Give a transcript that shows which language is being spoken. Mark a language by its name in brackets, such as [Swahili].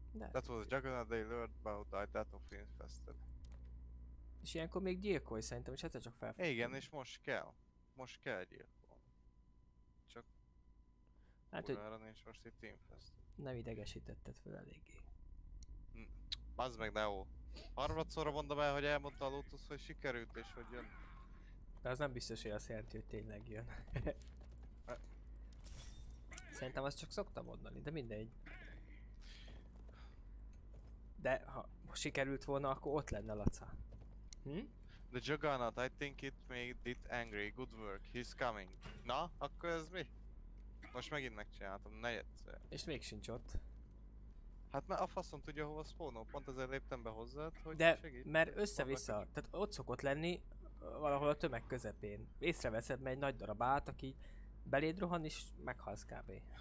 [English] That was a juggernaut, they learned about the identity of infested. [Hungarian] És ilyenkor még gyilkolj szerintem, és egyszer csak felfogtam. Igen, és most kell. Most kell gyilkolni. Hát, újra nincs most itt infest. Nem idegesítetted fel eléggé. Bazd meg, Neo. Harmadszorra mondom el, hogy elmondta a Lotus, hogy sikerült és hogy jön. De az nem biztos, hogy azt jelenti, hogy tényleg jön. Szerintem azt csak szoktam mondani, de mindegy. De ha sikerült volna, akkor ott lenne Laca. [English] The Juggernaut, I think it made it angry. Good work, he's coming. [Hungarian] Na, akkor ez mi? Most megint megcsináltam, negyedszer. És még sincs ott. Hát mert a faszom tudja hova spawnol, pont ezért léptem be hozzád, hogy de segít. De, mert össze-vissza, tehát ott szokott lenni, valahol a tömeg közepén. Észreveszed, mert egy nagy darab állt, aki beléd rohan és meghalsz kb.